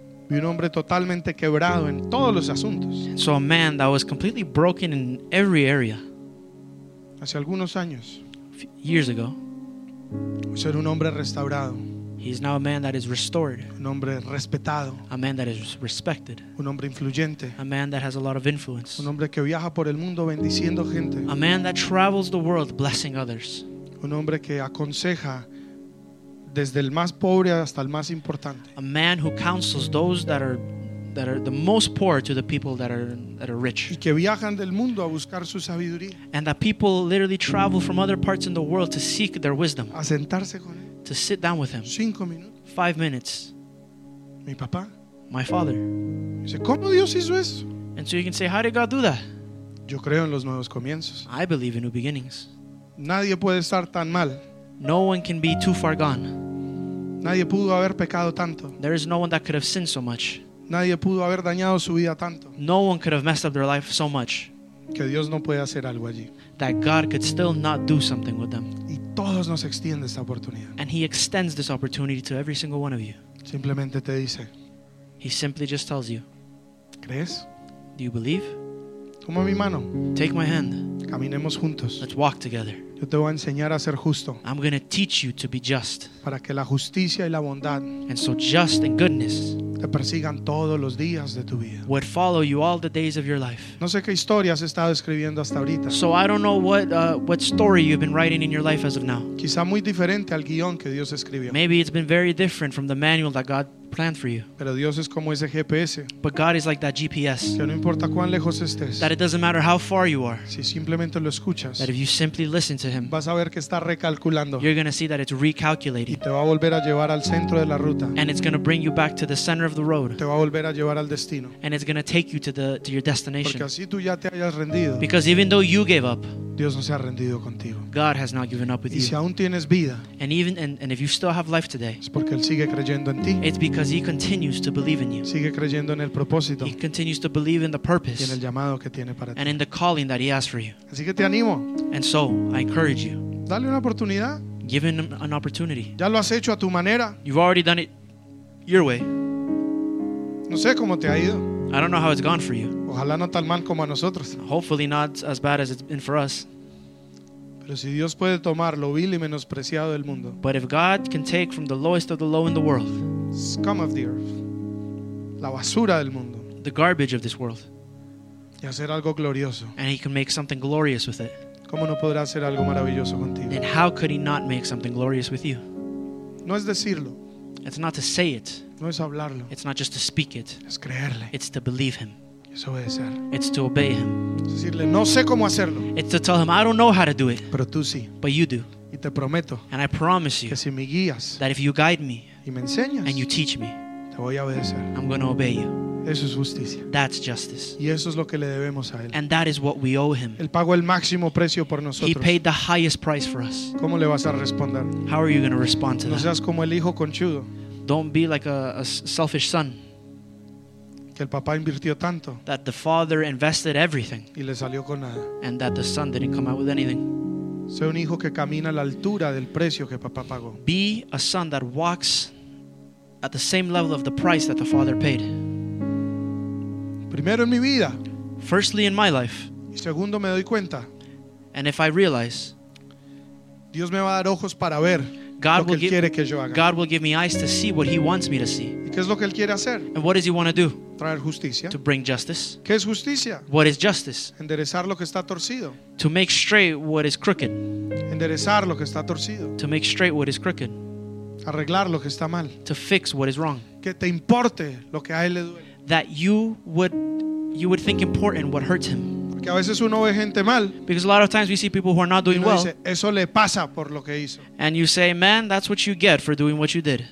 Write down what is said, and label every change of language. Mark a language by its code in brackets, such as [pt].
[es] Y un hombre totalmente quebrado en todos los asuntos. [en] So a man that was completely broken in every area. [es] Hace algunos años. [en] Years ago. [es] Ser un hombre restaurado. [en] He's now a man that is restored. [es] Un hombre respetado. [en] A man that is respected. [es] Un hombre influyente. [en] A man that has a lot of influence. [es] Un hombre que viaja por el mundo bendiciendo gente. [en] A man that travels the world blessing others. [es] Un hombre que aconseja desde el más pobre hasta el más importante. [en] A man who counsels those that are the most poor to the people that are rich. [es] Y que viajan del mundo a buscar su sabiduría. [en] And that people literally travel from other parts in the world to seek their wisdom. [es] A sentarse con él. [en] To sit down with him. 5 minutes. 5 minutes. [es] Mi papá. [en] My father. [es] Dice, ¿cómo Dios hizo eso? [en] And so you can say, how did God do that? [es] Yo creo en los nuevos comienzos. [en] I believe in new beginnings. [es] Nadie puede estar tan mal. [en] No one can be too far gone. [es] Nadie pudo haber pecado tanto. [en] There is no one that could have sinned so much. [es] Nadie pudo haber dañado su vida tanto. [en] No one could have messed up their life so much. [es] Que Dios no puede hacer algo allí. [en] That God could still not do something with them. [es] Y todos nos extiende esta oportunidad. [en] And he extends this opportunity to every single one of you. [es] Simplemente te dice. [en] He simply just tells you. [es] ¿Crees? [en] Do you believe? [es] Toma mi mano. [en] Take my hand. [es] Caminemos juntos. [en] Let's walk together. [es] Yo te voy a enseñar a ser justo. [en] I'm going to teach you to be just. [es] Para que la justicia y la bondad. [en] And so just and goodness. [es] Te persigan todos los días de tu vida. [en] Would follow you all the days of your life. [es] No sé qué historia has estado escribiendo hasta ahorita. [en] So I don't know what story you've been writing in your life as of now. [es] Quizá muy diferente al guión que Dios escribió. [en] Maybe it's been very different from the manual that God planned for you. [es] Pero Dios es como ese GPS. [en] But God is like that GPS. [es] Que no importa cuán lejos estés. [en] That it doesn't matter how far you are. [es] Si simplemente lo escuchas. [en] That if you simply listen to him. [es] Vas a ver que está recalculando. [en] You're going to see that it's recalculating. [es] Y te va a volver a llevar al centro de la ruta. [en] And it's going to bring you back to the center of the road. [es] Te va a volver a llevar al destino. [en] And it's going to take you to your destination. [es] Porque así tú ya te hayas rendido. [en] Because even though you gave up. [es] Dios no se ha rendido contigo. [en] God has not given up with you. [es] Y si aún tienes vida. [en] And if you still have life today. [es] Es porque él sigue creyendo en ti. [en] It's because he continues to believe in you. [es] Sigue creyendo en el propósito. [en] He continues to believe in the purpose. [es] Y en el llamado que tiene para ti. [en] And in the calling that he has for you. [es] Así que te animo. [en] And so I encourage you. [es] Dale una oportunidad. [en] Give him an opportunity. [es] Ya lo has hecho a tu manera. [en] You've already done it your way. [es] No sé cómo te ha ido. [en] I don't know how it's gone for you. [es] Ojalá no tan mal como a nosotros. [en] Hopefully not as bad as it's been for us. [es] Pero si Dios puede tomar lo vil y menospreciado del mundo. [en] But if God can take from the lowest of the low in the world. Scum of the earth. [es] La basura del mundo. [en] The garbage of this world. [es] Y hacer algo glorioso. [en] And he can make something glorious with it. [es] ¿Cómo no podrá hacer algo maravilloso contigo? [en] Then how could he not make something glorious with you? [es] No es decirlo. [en] It's not to say it. [es] No es hablarlo. [en] It's not just to speak it. [es] Es creerle. [en] It's to believe him. [es] Es obedecer. [en] It's to obey him. [es] Es decirle, no sé cómo hacerlo. [en] It's to tell him, I don't know how to do it. [es] Pero tú sí. [en] But you do. [es] Y te prometo. [en] And I promise you. [es] Que si me guías. [en] That if you guide me. [es] Y me enseñas. [en] And you teach me. [es] Te voy a obedecer. [en] I'm going to obey you. [es] Eso es justicia. [en] That's justice. [es] Y eso es lo que le debemos a él. [en] And that is what we owe him. [es] Él pagó el máximo precio por nosotros. [en] He paid the highest price for us. [es] ¿Cómo le vas a responder? [en] How are you going to respond to [es] no seas [en] that? [es] Como el hijo conchudo. [en] Don't be like a selfish son. [es] Que el papá invirtió tanto. [en] That the father invested everything. [es] Y le salió con nada. [en] And that the son didn't come out with anything. [es] Sé un hijo que camina a la altura del precio que papá pagó. [en] Be a son that walks at the same level of the price that the father paid. [es] Primero en mi vida. [en] Firstly in my life. [es] Y segundo me doy cuenta. [en] And if I realize, [es] Dios me va a dar ojos para ver God lo que él quiere que yo haga. [en] God will give me eyes to see what he wants me to see. [es] ¿Y qué es lo que él quiere hacer? [en] And what does he want to do? [es] Traer justicia. [en] To bring justice. [es] ¿Qué es justicia? [en] What is justice? [es] Enderezar lo que está torcido. [en] To make straight what is crooked. [es] Enderezar lo que está torcido. [en] To make straight what is crooked. [es] Arreglar lo que está mal. [en] To fix what is wrong. [es] Que te importe lo que a él le duele. [en] That you would think important what hurts him. [es] Porque a veces uno ve gente mal. [en] Because a lot of times we see people who are not doing well. [es] Eso le pasa por lo que hizo. [en] And you say, man, that's what you get for doing what you did.